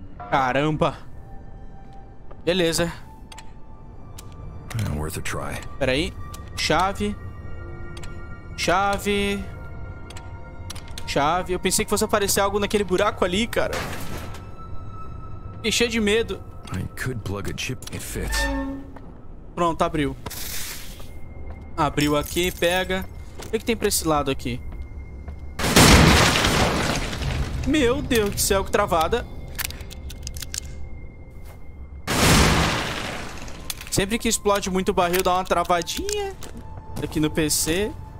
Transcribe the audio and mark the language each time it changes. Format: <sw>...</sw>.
<pt>Caramba. Beleza.</pt> <en>Worth a try.</en> <pt>Pera aí. Chave. Chave. Chave. Eu pensei que fosse aparecer algo naquele buraco ali, cara. Fiquei cheio de medo.</pt> <en>I could plug a chip if it fits.</en> <pt>Pronto, abriu. Abriu aqui, pega. O que, é que tem pra esse lado aqui? Meu Deus do céu, que travada. Sempre que explode muito o barril, dá uma travadinha aqui no PC.</pt>